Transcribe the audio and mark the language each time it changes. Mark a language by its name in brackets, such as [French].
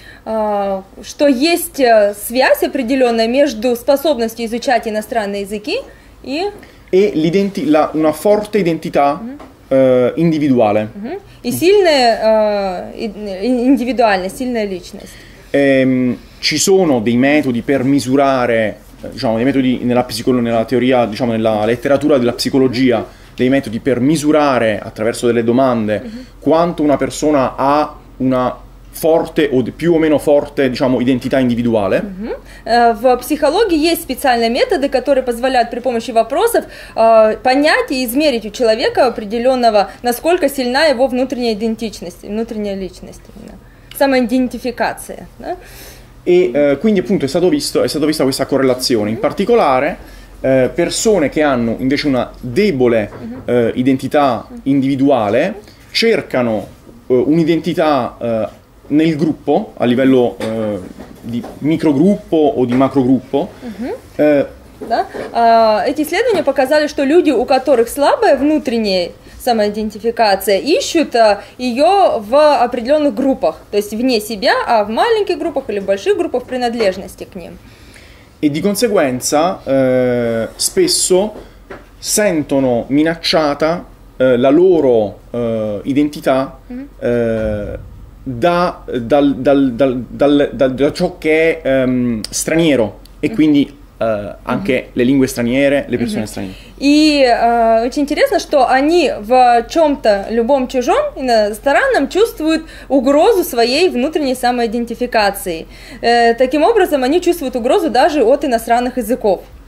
[Russian] Что есть связь определенная между способностью изучать иностранные языки и... [Italian] E una forte identità individuale. [Russian] И сильная индивидуальность, сильная личность. [Italian] Ci sono dei metodi per misurare, diciamo, dei metodi nella teoria, diciamo, nella letteratura della psicologia, dei metodi per misurare attraverso delle domande quanto una persona ha una forte o più o meno forte, diciamo, identità individuale. [Russian] В психологии есть специальные методы, которые позволяют при помощи вопросов понять и измерить у человека определенного, насколько сильна его внутренняя идентичность, внутренняя личность, именно. Самоидентификация. Да? [Italian] E quindi appunto è stata vista questa correlazione. In particolare, persone che hanno invece una debole identità individuale cercano un'identità nel gruppo, a livello di microgruppo o di macrogruppo. [Russian] Да? Эти исследования показали, что люди, у которых слабая внутренняя самоидентификация, ищут ее в определенных группах, то есть вне себя, а в маленьких группах или в больших группах принадлежности к ним. [Italian] E di conseguenza spesso sentono minacciata la loro identità da ciò che è straniero e quindi anche le lingue straniere, le persone straniere. [Russian] И очень интересно, что они в чем-то, любом чужом, иностранном, чувствуют угрозу своей внутренней самоидентификации. Таким образом, они чувствуют угрозу даже от иностранных языков.